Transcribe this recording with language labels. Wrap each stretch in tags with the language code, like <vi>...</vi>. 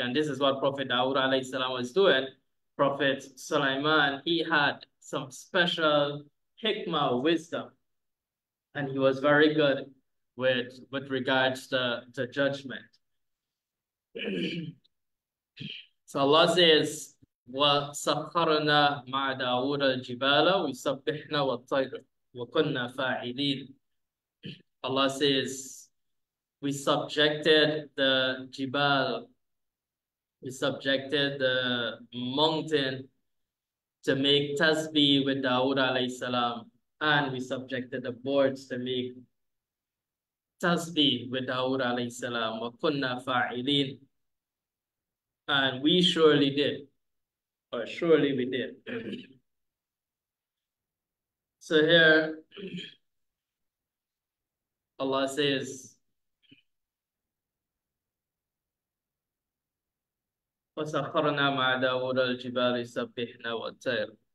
<en>And this is what Prophet Dawood alayhi salam was doing. Prophet Sulaiman, he had some special hikmah wisdom, and he was very good with regards to judgment. So Allah says,</en> <ar>وسخرنا مع داوود الجبال وسبحنا والطير وكنا فاعلين.</ar> <en>Allah says, we subjected the jibal, we subjected the mountain to make tasbih with Dawood alayhi salam, and we subjected the birds to make tasbih with Dawood alayhi salam.</en> <ar>Wa kunna fa'ilin,</ar> <en>and we surely did, or surely we did. So here Allah says,</en> <ar>وَسَخَّرْنَا مَعَ دَاوُدَ الْجِبَالِ سَبِّحْنَا وَالطَّيْرَ.</ar>